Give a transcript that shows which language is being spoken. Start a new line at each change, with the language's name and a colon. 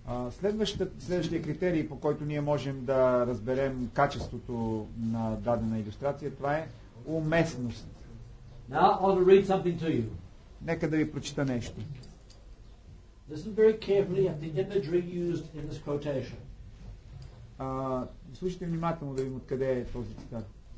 Bulgarian: Следващия критерий, по който ние можем да разберем качеството на дадена илюстрация, това е уместност.
English: Now I'll read something to you.
Bulgarian: Нека да ви прочита нещо.
English: Listen very carefully at the imagery used in this quotation.
Bulgarian: Слушайте внимателно да видим откъде е този цитат.